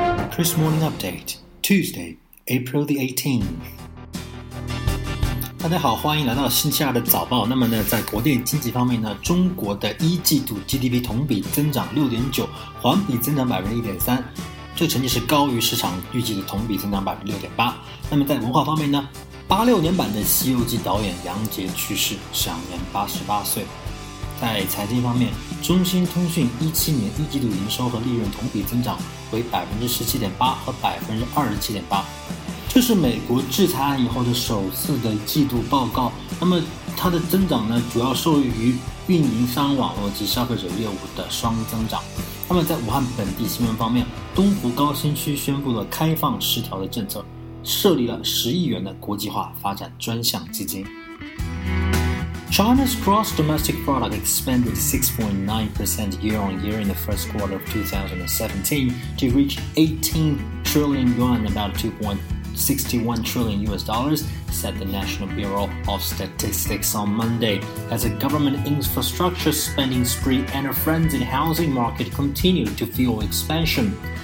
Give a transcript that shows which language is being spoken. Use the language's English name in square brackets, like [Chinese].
[English] Chris Morning Update, Tuesday, April the 18th. [Chinese] 大家好，欢迎来到星期二的早报。那么呢，在国内经济方面呢，中国的一季度 GDP 同比增长 6.9%， 环比增长 1.3%， 这成绩是高于市场预计的同比增长 6.8%。那么在文化方面呢，86年版的《西游记》导演杨洁去世，享年88岁。在财经方面，中兴通讯17年一季度营收和利润同比增长为 17.8% 和 27.8%，这是美国制裁案以后的首次的季度报告。那么它的增长呢，主要受益于运营商网络及消费者业务的双增长。那么在武汉本地新闻方面，东湖高新区宣布了开放十条的政策，设立了10亿元的国际化发展专项基金。 [English] China's gross domestic product expanded 6.9% year on year in the first quarter of 2017 to reach 18 trillion yuan, about 2.61 trillion US dollars, said the National Bureau of Statistics on Monday, as a government infrastructure spending spree and a frenzied housing market continued to fuel expansion.